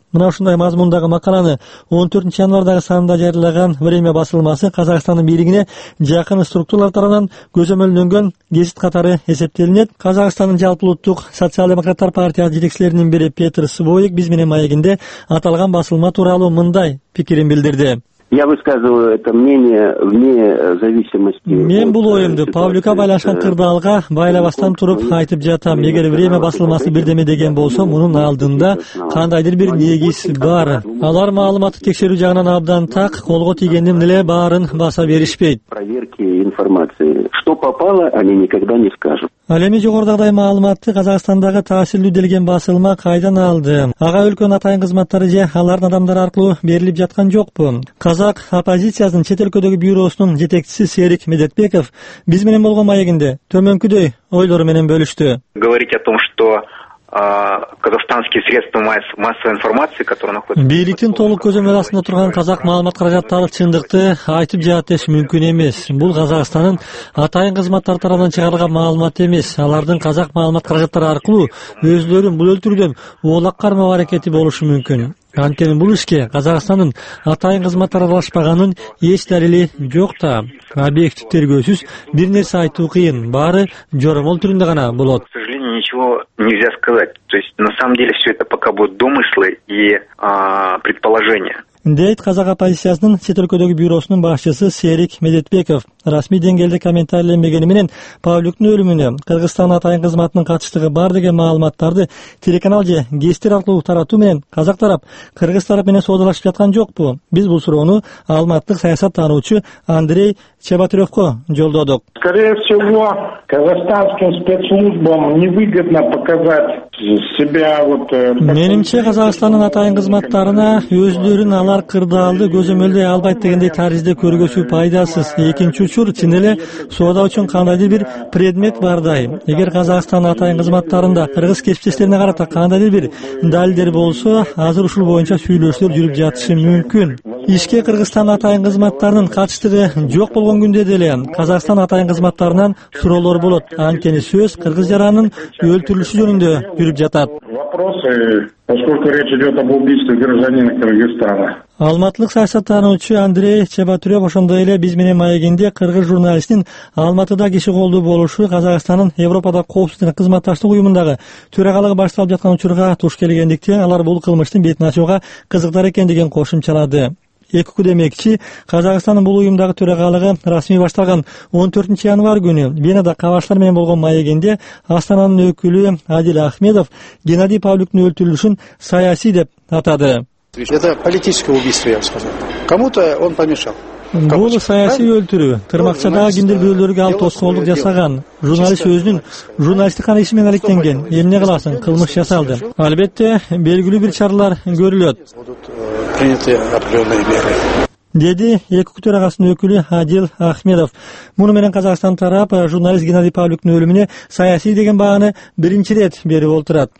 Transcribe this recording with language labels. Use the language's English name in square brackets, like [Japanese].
[Kyrgyz] Мына ушундай мазмундагы макаланы 14 январдагы санында жарыялаган Время басылмасы Казакстандын бийлигине жакын структуралар тарабынан көзөмөлдөнгөн гезит катары эсептелинет. Казакстандын жалпы улуттук социал демократтар партиясы жетекчилеринин бири Петр Свойк биз менен маегинде аталган басылма тууралуу мындай пикирин билдирди. [Russian] Я высказываю это мнение вне зависимости. [Kyrgyz] Мен бул оюмду Павлюка байланышкан кырдаалга байлабастан туруп айтып жатам. Эгер Время басылмасы бирдеме деген болсо, мунун алдында кандайдыр бир негиз бар. Алар маалыматты текшерүү жагынан абдан так, колго тийгендин эле баарын баса беришпейт. [Russian] Проверки информации. Что попало, они никогда не скажут. [Kyrgyz] Ал эми жогорудагыдай маалыматты Казакстандагы таасирлүү делген басылма кайдан алды? Ага өлкөнүн атайын кызматтары же алардын адамдары аркылуу берилип жаткан жокпу? Казак оппозициясынын чет өлкөдөгү бюросунун жетекчиси Серик Медетбеков биз менен болгон маегинде төмөнкүдөй ойлору менен бөлүштү. [Russian] Говорить о том, что казахстанские средства массовой информации, которые находятся... [Kyrgyz] Бийликтин толук көзөмөл астында турган казак маалымат каражаттары чындыкты айтып жатат деш мүмкүн эмес. Бул Казакстандын атайын кызматтар тарабынан чыгарылган маалымат эмес. Алардын казак маалымат каражаттары аркылуу өзлөрүн бул өлтүрүүдөн оолак кармоо аракети болушу мүмкүн. Анткени бул ишке Казакстандын атайын кызматтары аралашпаганын эч далили жок да. Объектив тергөөсүз бир нерсе айтуу кыйын, баары жоромол түрүндө гана болот. [Russian] Ничего нельзя сказать. То есть на самом деле все это пока будут домыслы и предположения. [Kyrgyz] Дейт казак оппозициясынын чет өлкөдөгү бюросунун башчысы Серик Медетбеков. Расмий деңгээлде комментарийленбегени менен Павлюктун өлүмүнө Кыргызстан атайын кызматынын катыштыгы бар деген маалыматтарды телеканал же гестер аркылуу таратуу менен казак тарап кыргыз тарап менен соодалашып жаткан жокпу? Биз бул суроону алматтык саясат таануучу Андрей Чебатыревко жолдодук. [Russian] Скорее всего, казахстанским спецслужбам невыгодно показать себя вот. [Kyrgyz] Менимче Казакстандын атайын кызматтарына өзлөрүн алар кырдаалды көзөмөлдөй албайт дегендей тарзде көргөзүү пайдасыз. Экинчи учур, чын эле соода үчүн кандайдыр бир предмет бардай. Эгер Казакстандын атайын кызматтарында кыргыз кесиптештерине карата кандайдыр бир далилдер болсо, азыр ушул боюнча сүйлөшүүлөр жүрүп жатышы мүмкүн. Ишке Кыргызстан атайын кызматтарынын катыштыгы жок болгон күндө деле Казакстан атайын кызматтарынан суроолор болот. Анткени сөз кыргыз жаранынын өлтүрүлүшү жөнүндө жүрүп жатат. [Russian] Поскольку речь идет об убийстве гражданина Кыргызстана. [Kyrgyz] Алматылык саясат таануучу Андрей Чебатырев ошондой эле биз менен маегинде кыргыз журналистин Алматыда киши колдуу болушу Казакстандын Европада коопсуздук кызматташтык уюмундагы төрагалыгы башталып жаткан учурга туш келгендиктен алар бул кылмыштын бетин ачууга кызыктар экендигин кошумчалады. Эки күн демекчи, Казакстандын бул уюмдагы төрагалыгы расмий башталган 14 январ күнү Венада кабарчылар менен болгон маегинде Астананын өкүлү Адил Ахмедов Геннадий Павлюктун өлтүрүлүшүн саясий деп атады. [Russian] Это политическое убийство, я бы сказал. Кому-то он помешал. [Kyrgyz] Бул саясий өлтүрүү. Тырмакчада киндир бөлөргө ал тоскоолдук жасаган. Журналист өзүнүн журналисттик ишин менен алектенген. Эмне кыласың? Кылмыш жасалды. Албетте, белгилүү бир чаралар көрүлөт. Деди эки төрагасынын өкүлү Адил Ахмедов. Муну менен Казакстан тарап журналист Геннадий Павлюктун өлүмүнө саясий деген бааны биринчи ирет берип олтурат.